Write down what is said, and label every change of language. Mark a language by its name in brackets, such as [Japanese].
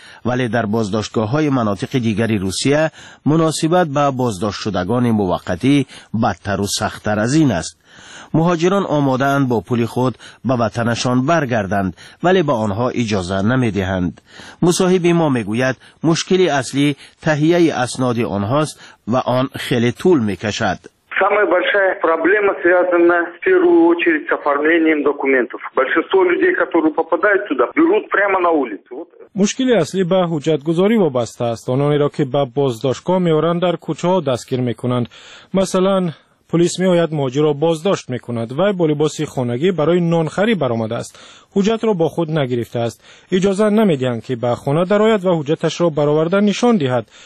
[Persian] ولی در بازداشتگاه های مناطق دیگری روسیه مناسبت با بازداشت شدگان موقتی بدتر و سختر از این است. مهاجران آماده اند با پول خود به وطنشان برگردند، ولی به آنها اجازه نمی دهند. مصاحب ما می گوید مشکل اصلی تهیه اسناد آنهاست و آن خیلی طول می کشد. [Russian] Самая большая проблема связана в первую очередь с оформлением документов. Большинство людей, которые попадают туда, берут прямо на улицу. [Tajik] Мушкили асли ба худжатгузори вобаста аст. Онони ро ки ба боздошко меоран дар кучао дастгир мекунанд. Масалан [Persian] پلیس می آید مهاجر را بازداشت می کند و با لباس خانگی برای نانخری برآمده است. حجت را با خود نگرفته است. اجازه نمی دهند که به خانه درآید و حجتش را برآورده نشان دهد.